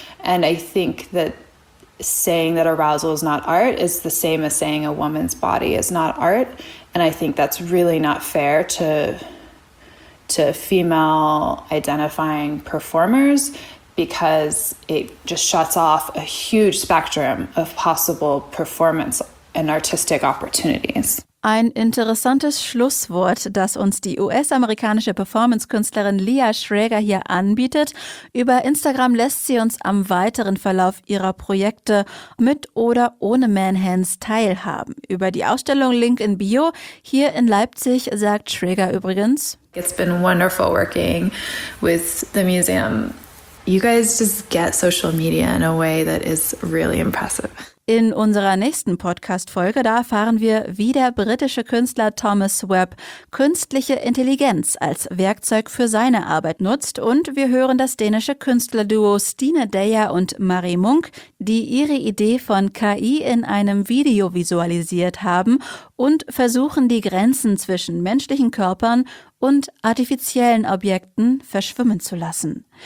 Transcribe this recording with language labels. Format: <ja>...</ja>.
<en>And I think that saying that arousal is not art is the same as saying a woman's body is not art. And I think that's really not fair to female identifying performers, because it just shuts off a huge spectrum of possible performance and artistic opportunities.</en> <de>Ein interessantes Schlusswort, das uns die US-amerikanische Performance-Künstlerin Lia Schrager hier anbietet. Über Instagram lässt sie uns am weiteren Verlauf ihrer Projekte mit oder ohne Manhands teilhaben. Über die Ausstellung Link in Bio hier in Leipzig sagt Schrager übrigens:</de> <en>It's been wonderful working with the museum. You guys just get social media in a way that is really impressive.</en> <de>In unserer nächsten Podcast-Folge, da erfahren wir, wie der britische Künstler Thomas Webb künstliche Intelligenz als Werkzeug für seine Arbeit nutzt. Und wir hören das dänische Künstlerduo Stine Dyer und Marie Munk, die ihre Idee von KI in einem Video visualisiert haben und versuchen, die Grenzen zwischen menschlichen Körpern und artifiziellen Objekten verschwimmen zu lassen.</de>